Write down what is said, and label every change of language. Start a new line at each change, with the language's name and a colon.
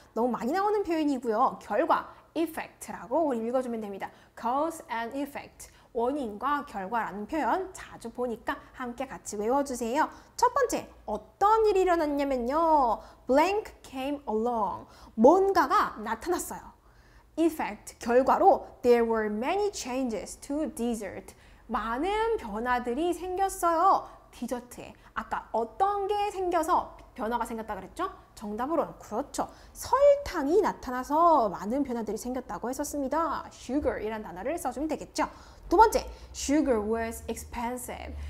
Korean: 너무 많이 나오는 표현이고요. 결과, effect라고 우리 읽어주면 됩니다.
English: cause and effect.
Korean: 원인과 결과라는 표현 자주 보니까 함께 같이 외워주세요. 첫 번째, 어떤 일이 일어났냐면요.
English: blank came along.
Korean: 뭔가가 나타났어요.
English: effect, 결과로 there were many changes to dessert.
Korean: 많은 변화들이 생겼어요. 디저트에. 아까 어떤 게 생겨서 변화가 생겼다 그랬죠? 정답으로는 그렇죠. 설탕이 나타나서 많은 변화들이 생겼다고 했었습니다. sugar이란 단어를 써주면 되겠죠. 두 번째,
English: sugar was expensive.